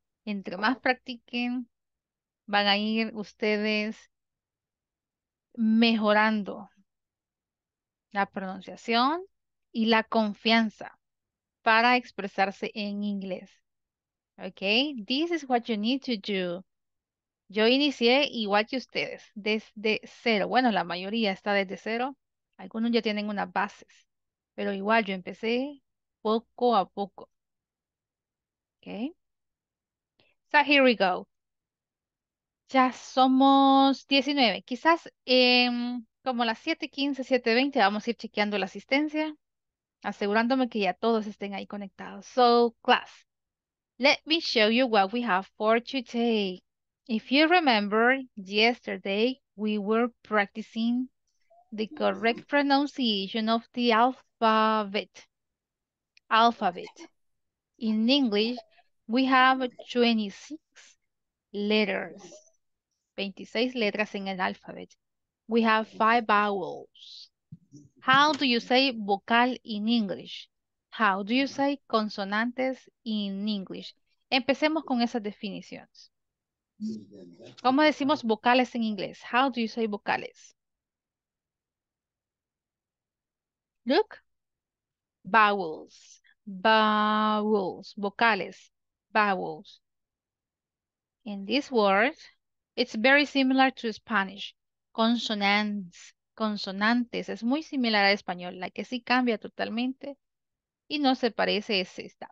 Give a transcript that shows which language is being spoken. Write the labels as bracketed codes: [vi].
[es] Entre más practiquen, van a ir ustedes mejorando la pronunciación y la confianza para expresarse en inglés. [en] Ok, this is what you need to do. [es] Yo inicié igual que ustedes, desde cero. Bueno, la mayoría está desde cero. Algunos ya tienen unas bases, pero igual yo empecé poco a poco. [en] Ok. So here we go. [es] Ya somos 19. Quizás como las 7:15, 7:20, vamos a ir chequeando la asistencia, asegurándome que ya todos estén ahí conectados. [en] So, class, let me show you what we have for today. If you remember, yesterday we were practicing the correct pronunciation of the alphabet. Alphabet. In English, we have 26 letters. [es] 26 letras en el alphabet. [en] We have 5 vowels. How do you say vocal in English? How do you say consonantes in English? [es] Empecemos con esas definiciones. ¿Cómo decimos vocales en inglés? [en] How do you say vocales? Look. Vowels. Vowels. [es] Vocales. [en] Vowels. In this word, it's very similar to Spanish. [es] Consonants. Consonantes. Es muy similar al español. La que sí cambia totalmente y no se parece es esta.